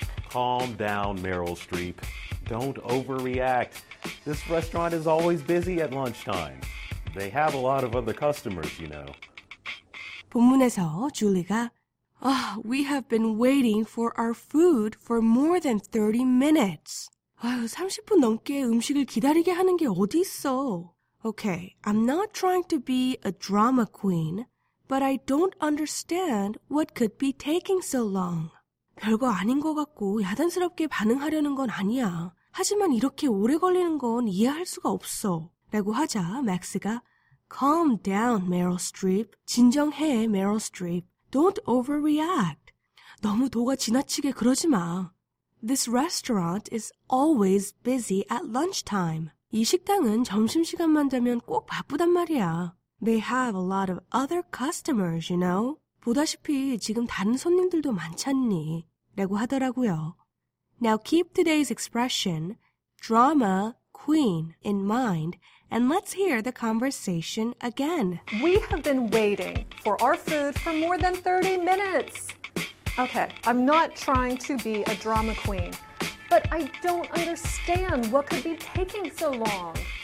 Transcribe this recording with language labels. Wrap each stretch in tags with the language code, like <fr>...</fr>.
<en>Calm down, Meryl Streep. Don't overreact. This restaurant is always busy at lunchtime. They have a lot of other customers, you know.</en> <ko>본문에서 줄리가</ko> <en>we have been waiting for our food for more than 30 minutes.</en> <ko>30분 넘게 음식을 기다리게 하는 게 어디 있어?</ko> <en>Okay, I'm not trying to be a drama queen, but I don't understand what could be taking so long.</en> <ko>별거 아닌 것 같고 야단스럽게 반응하려는 건 아니야. 하지만 이렇게 오래 걸리는 건 이해할 수가 없어. 라고 하자 맥스가</ko> <en>Calm down,</en> <ko>Meryl Streep. 진정해,</ko> <en>Meryl Streep. Don't overreact.</en> <ko>너무 도가 지나치게 그러지 마.</ko> <en>This restaurant is always busy at lunchtime.</en> <ko>이 식당은 점심시간만 되면 꼭 바쁘단 말이야.</ko> <en>They have a lot of other customers, you know.</en> <ko>보다시피 지금 다른 손님들도 많잖니. 라고 하더라고요.</ko> <en>Now keep today's expression, drama queen, in mind, and let's hear the conversation again. We have been waiting for our food for more than 30 minutes. Okay, I'm not trying to be a drama queen, but I don't understand what could be taking so long.</en>